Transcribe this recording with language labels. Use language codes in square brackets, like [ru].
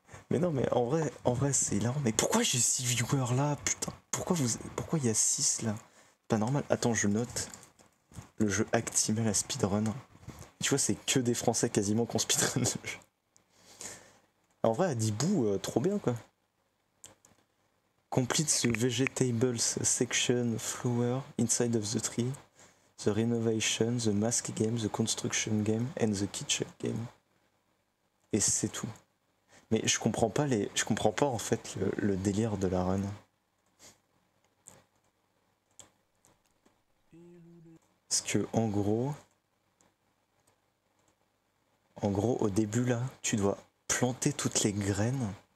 [fr] Mais non, mais en vrai, c'est hilarant. Mais pourquoi j'ai 6 viewers là, putain? Pourquoi il y a 6 là? Pas normal. Attends, je note le jeu Actimel à speedrun. Tu vois, c'est que des Français quasiment qu'on speedrun le jeu. En vrai, Adibou, trop bien, quoi. [en] Complete the vegetables section flower inside of the tree, the renovation, the mask game, the construction game, and the kitchen game. [fr] Et c'est tout. Mais je comprends pas, je comprends pas en fait le délire de la run. Parce que, en gros, au début, là, tu dois planter toutes les graines.